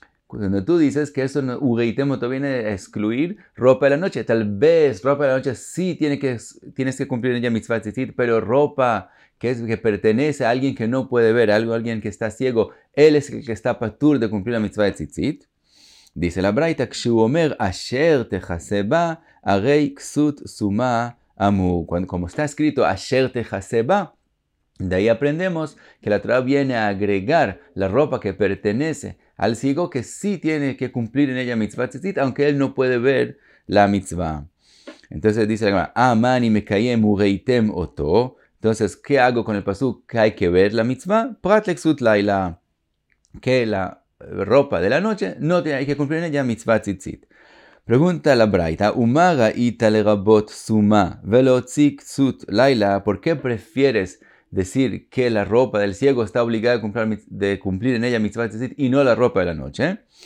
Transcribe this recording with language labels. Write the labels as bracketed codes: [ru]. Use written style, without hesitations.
[es] Cuando tú dices que eso no, ureitemo, te viene a excluir ropa de la noche. Tal vez ropa de la noche sí tienes que cumplir en ella mitzvah tzitzit, pero ropa que pertenece a alguien que no puede ver, alguien que está ciego, él es el que está patur de cumplir la mitzvah tzitzit. Dice la braita, [he] כשהוא אומר, אשר תחסה בה, הרי כסות סומה אמור. [es] Como está escrito, [he] אשר תחסה בה, [es] de ahí aprendemos que la Torah viene a agregar la ropa que pertenece al ciego, que sí tiene que cumplir en ella mitzvah tzitzit, aunque él no puede ver la mitzvah. Entonces dice la Gemara, [he] אמה אני מקיים וראיתם אותו. [es] Entonces, ¿qué hago con el pasuk? Que hay que ver la mitzvah. [he] פרט לכסות לילה. [es] Que la ropa de la noche, no te hay que cumplir en ella mitzvah tzitzit. Pregunta la braita, [he] ¿Uma ra'ita le rabot suma velo tzik tzut laila? [es] ¿Por qué prefieres decir que la ropa del ciego está obligada de cumplir en ella mitzvah tzitzit y no la ropa de la noche?